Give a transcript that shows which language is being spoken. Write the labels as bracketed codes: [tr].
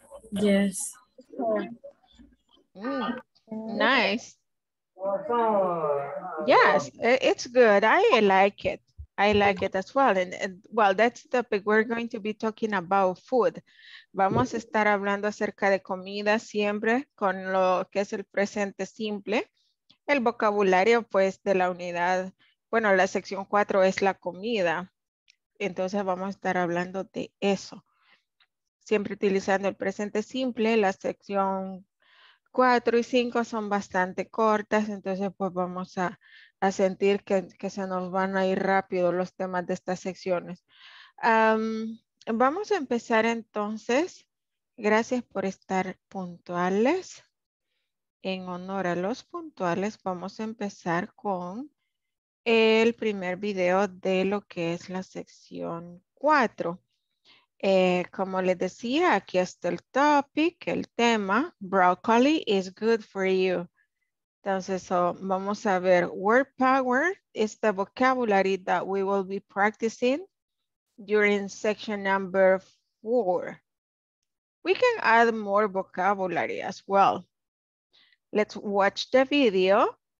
[en] Yes. Nice. Yes, it's good. I like it. I like it as well. And well, that's the topic we're going to be talking about, food. [es] Vamos a estar hablando acerca de comida siempre con lo que es el presente simple. El vocabulario, pues, de la unidad. Bueno, la sección 4 es la comida. Entonces vamos a estar hablando de eso. Siempre utilizando el presente simple, la sección 4 y 5 son bastante cortas, entonces pues vamos a sentir que se nos van a ir rápido los temas de estas secciones. Vamos a empezar entonces. Gracias por estar puntuales. En honor a los puntuales, vamos a empezar con el primer video de lo que es la sección 4. Como les decía, aquí está el topic, el tema. [en] Broccoli is good for you. [es] Entonces, vamos a ver. [en] Word power is the vocabulary that we will be practicing during section number 4. We can add more vocabulary as well. Let's watch the video.